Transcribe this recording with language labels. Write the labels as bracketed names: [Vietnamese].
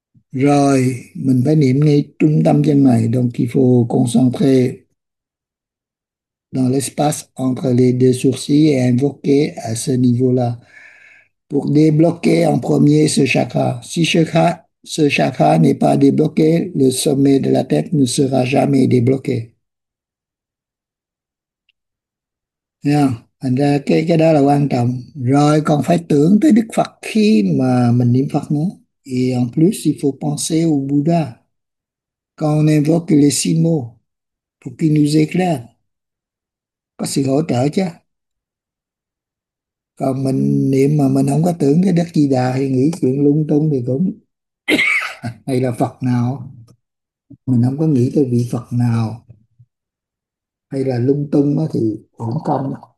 [Vietnamese] Rồi mình phải niệm ngay trung tâm chân mày, [French] donc il faut concentrer dans l'espace entre les deux sourcils et invoquer à ce niveau-là pour débloquer en premier ce chakra. Si ce chakra n'est pas débloqué, le sommet de la tête ne sera jamais débloqué. [Vietnamese] Thành ra cái đó là quan trọng. Rồi còn phải tưởng tới Đức Phật khi mà mình niệm Phật nữa. [French] Et en plus, il faut penser au Bouddha quand on invoque les six mots pour qu'il nous éclaire. [Vietnamese] Có sự hỗ trợ chứ. Còn mình niệm mà mình không có tưởng cái Đức Di Đà hay nghĩ chuyện lung tung thì cũng hay là Phật nào, mình không có nghĩ tới vị Phật nào hay là lung tung đó thì cũng không.